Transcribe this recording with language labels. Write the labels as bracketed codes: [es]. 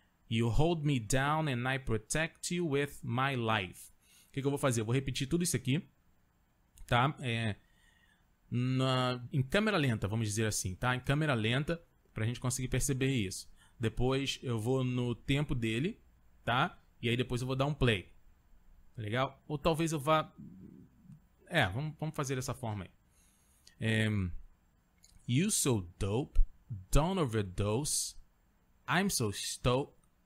[en] You hold me down and I protect you with my life. [pt] O que, que eu vou fazer? Eu vou repetir tudo isso aqui, tá? É, em câmera lenta, vamos dizer assim, tá? Em câmera lenta, pra gente conseguir perceber isso. Depois eu vou no tempo dele, tá? E aí depois eu vou dar um play. Legal? Ou talvez eu vá... É, vamos fazer dessa forma aí. [en] É, you so dope, don't overdose, I'm so stoked.